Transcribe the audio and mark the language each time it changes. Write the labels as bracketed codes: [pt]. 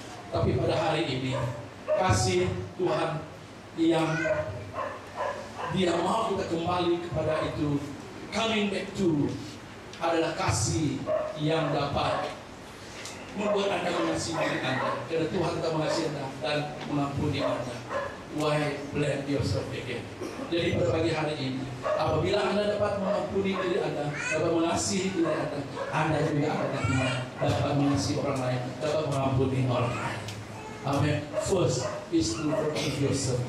[ms] Tapi pada hari ini, kasih Tuhan yang Dia mau kita kembali kepada itu, [en] coming back to, [ms] adalah kasih yang dapat membuat Anda mengasihi diri Anda. Karena Tuhan tak mengasihi Anda dan mengampuni Anda. [en] Why blend yourself again? [ms] Jadi pada pagi hari ini, apabila Anda dapat mengampuni diri Anda, dapat mengasihi diri Anda, Anda juga akan dapat mengasihi orang lain, dapat mengampuni orang lain. Amin. [en] First is to forgive yourself.